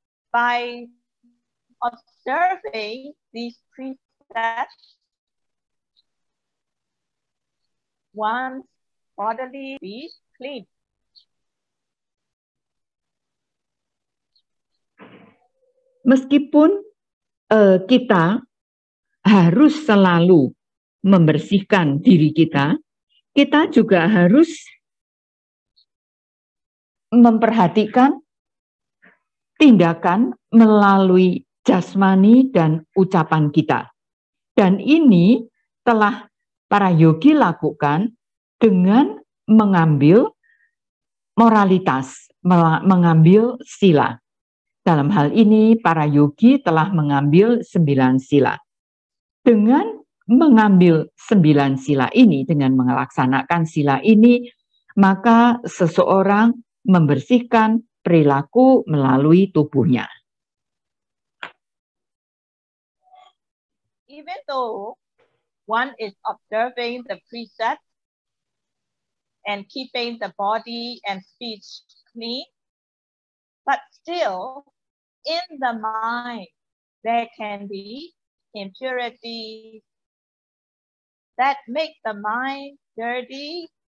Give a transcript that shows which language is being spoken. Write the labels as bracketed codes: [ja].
[en] By observing these precepts, one's bodily be clean. [id] Meskipun kita harus selalu membersihkan diri kita, kita juga harus memperhatikan tindakan melalui jasmani dan ucapan kita. Dan ini telah para yogi lakukan dengan mengambil moralitas, mengambil sila. Dalam hal ini, para yogi telah mengambil 9 sila. Dengan mengambil 9 sila ini, dengan melaksanakan sila ini, maka seseorang membersihkan perilaku melalui tubuhnya. [en] Even though one is observing the precepts and keeping the body and speech clean, but still in the mind there can be impurities that make the mind dirty.